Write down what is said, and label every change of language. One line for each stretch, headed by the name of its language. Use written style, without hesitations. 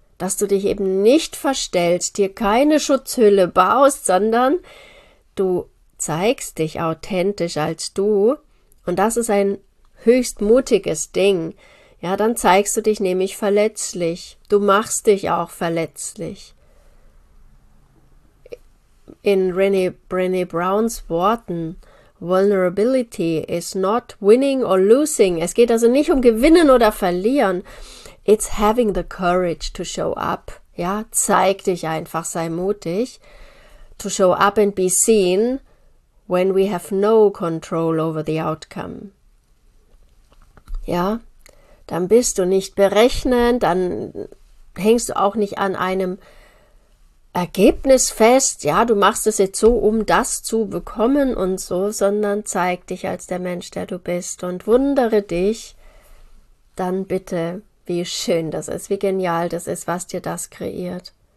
German: Dass du dich eben nicht verstellst, dir keine Schutzhülle baust, sondern du zeigst dich authentisch als du. Und das ist ein höchst mutiges Ding. Ja, dann zeigst du dich nämlich verletzlich. Du machst dich auch verletzlich. In Brené Browns Worten,
English: Vulnerability is not winning or losing.
German: Es geht also nicht um Gewinnen oder Verlieren.
English: It's having the courage to show up.
German: Ja, zeig dich einfach, sei mutig.
English: To show up and be seen when we have no control over the outcome.
German: Ja, dann bist du nicht berechnend, dann hängst du auch nicht an einem Ergebnis fest, ja, du machst es jetzt so, um das zu bekommen und so, sondern zeig dich als der Mensch, der du bist und wundere dich, dann bitte, wie schön das ist, wie genial das ist, was dir das kreiert.